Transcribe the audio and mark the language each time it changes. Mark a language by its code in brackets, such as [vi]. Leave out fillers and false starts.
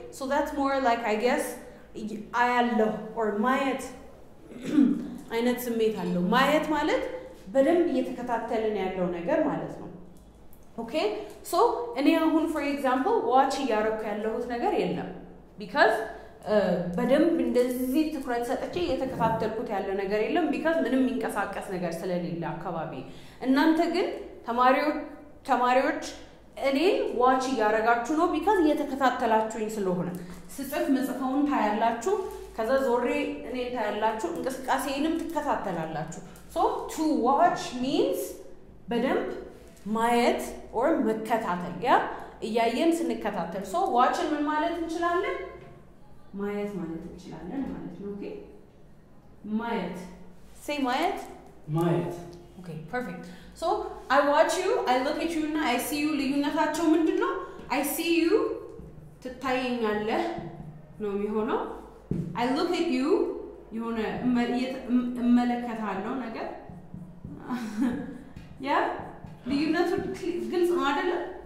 [en] So that's more like I guess I allow or mayet [am] አይነት ስሜት አለው. mayet ማለት በደንብ እየተከታተልን ያለው ነገር ማለት ነው. Okay? So እኔ አሁን for example watch ያረኩ ያለሁት ነገር የለም because በደንብ እንደዚህ ትኩረት ሰጥቼ እየተከታተልኩት ያለ ነገር የለም because ምንም የሚንቀሳቀስ ነገር ስለሌለ አካባቢ. እናንተ ግን ተማሪዎች እኔ ዋች ያረጋችሁ ነው because እየተከታተላችሁኝ ስለሆነ ስጽፍ መጽፈውን ታያላችሁ ከዛ ዞሬ እኔ ታያላችሁ እንቅስቃሴንም ትከታተላላችሁ. [en] So to watch means በደንብ ማየት or መከታተል. [am] ያ እያየን ስንከታተል. So watchን ምን ማለት እንችላለን? ማየት ማለት እንችላለን ማለት ነው. ኦኬ ማየት say ማየት. [en] ኦኬ perfect. So I watch you, I look at you and I see you. [am] ልዩነታቸው ምንድነው? [en] I see you [am] ትታየኛለህ ነው የሚሆነው. [en] I look at you [am] የሆነ እመለከታለሁ ነገር ያ ልዩነቱ ግልጽ ነው አይደለም?